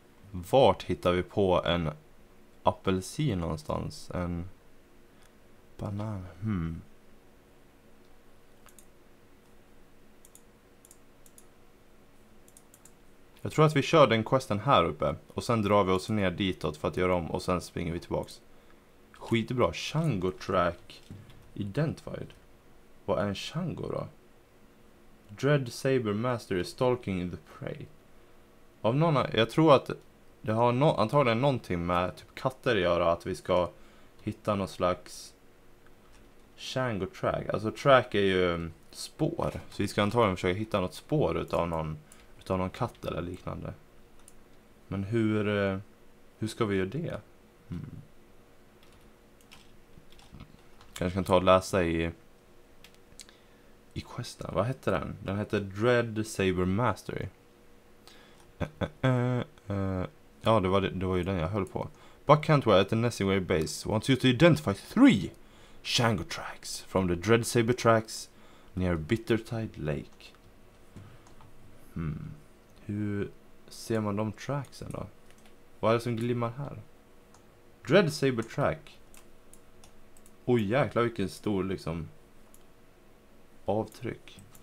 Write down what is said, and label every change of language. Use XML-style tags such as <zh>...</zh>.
<sv>Vart hittar vi på en apelsin någonstans? En banan, Jag tror att vi kör den questen här uppe. Och sen drar vi oss ner ditåt för att göra om. Och sen springer vi tillbaks. Skitbra.</sv> <en>Shango track identified.</en> <sv>Vad är en Shango då?</sv> <en>Dread Saber Master is stalking the prey.</en> <sv>Av någon, jag tror att det har antagligen någonting med typ katter att göra. Att vi ska hitta någon slags Shango track. Alltså track är ju spår. Så vi ska antagligen försöka hitta något spår utav någon. Av någon katt eller liknande. Men hur ska vi göra det? Kanske kan ta och läsa i questen. Vad heter den? Den heter Dread Saber Mastery. Ja, det var ju den jag höll på.</sv> <en>Buck Cantwell at the Nessingwary base wants you to identify three Shango tracks from the Dread Saber tracks near Bittertide Lake.</en> <sv>Hur ser man de tracksen då? Vad är det som glimmar här? Dread Saber track. Oj, jäklar vilken stor liksom avtryck.</sv>